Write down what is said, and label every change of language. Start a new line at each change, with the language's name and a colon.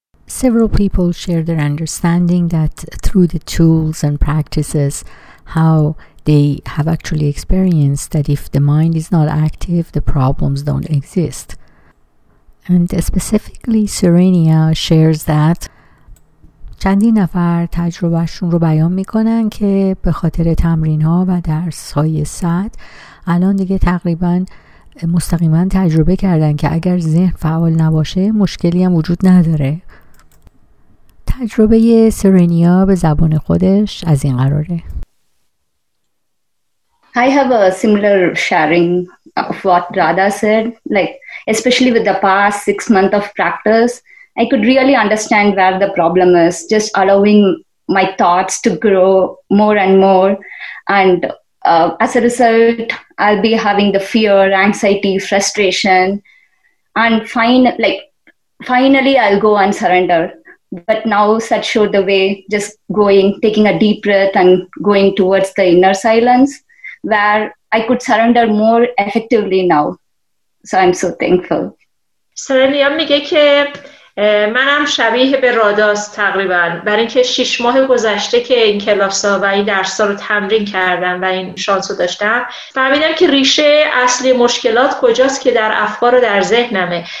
English: Several people share their understanding that through the tools and practices, how they have actually experienced that if the mind is not active, the problems don't exist. And specifically, Serenia shares that
Persian: چندی نفر تجربهشون رو بیان میکنن که به خاطر تمرین ها و درس های سعد الان دیگه تقریبا مستقیما تجربه کردن که اگر ذهن فعال نباشه مشکلی هم وجود نداره. تجربه سرینیا به زبان خودش از این قراره.
English: I have a similar sharing of what Radha said, like especially with the past 6 months of practice, I could really understand where the problem is, just allowing my thoughts to grow more and more. And as a result, I'll be having the fear, anxiety, frustration, and finally I'll go and surrender. But now Sat showed the way, just going, taking a deep breath and going towards the inner silence, where I could surrender more effectively now. So I'm so thankful.
Persian: سرنیا میگه که منم شبیه به راداست تقریبا، برای اینکه 6 ماه گذشته که این کلاس ها و این درس ها رو تمرین کردم و این شانس رو داشتم، فهمیدم که ریشه اصلی مشکلات کجاست که در افکار و در ذهنمه.